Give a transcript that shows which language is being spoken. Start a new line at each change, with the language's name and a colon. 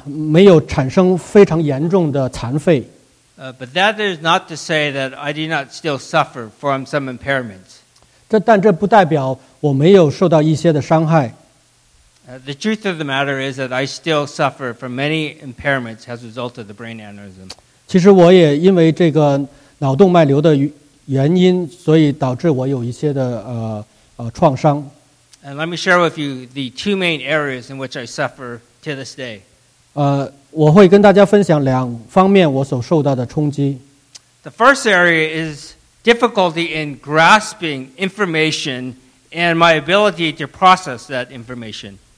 Chinese: 不单止这样,神也使我没有产生非常严重的残废。
English: But that is not to say that I do not still suffer from some impairments.
Chinese: 但这不代表我没有受到一些的伤害。
English: The truth of the matter is that I still suffer from many impairments as a result of the brain aneurysm.
Chinese: 其实我也因为这个脑动脉瘤的原因,所以导致我有一些的创伤。
English: And let me share with you the two main areas in which I suffer to this day.
Chinese: 我会跟大家分享两方面我所受到的冲击。
English: The first area is difficulty in grasping information and my ability to process that information.